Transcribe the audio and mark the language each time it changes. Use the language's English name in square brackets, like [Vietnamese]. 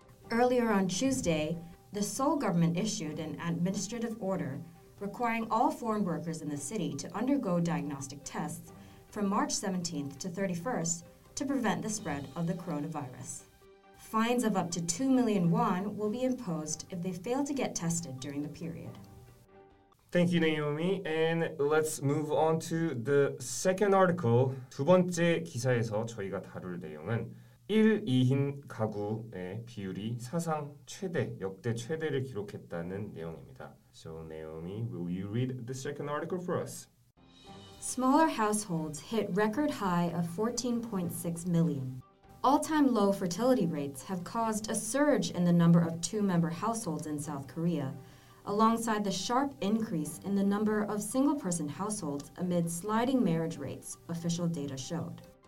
[English] Earlier on Tuesday, the Seoul government issued an administrative order requiring all foreign workers in the city to undergo diagnostic tests from March 17th to 31st to prevent the spread of the coronavirus. Fines of up to 2 million won will be imposed if they fail to get tested during the period. Thank you, Naomi. And let's move on to the second article. [Korean] 두 번째 기사에서 저희가 다룰 내용은 1인 가구의 비율이 사상 최대, 역대 최대를 기록했다는 내용입니다. [English] So, Naomi, will you read the second article for us? Smaller households hit record high of 14.6 million. All-time low fertility rates have caused a surge in the number of two-member households in South Korea, alongside the sharp increase in the number of single-person households amid sliding marriage rates, official data showed.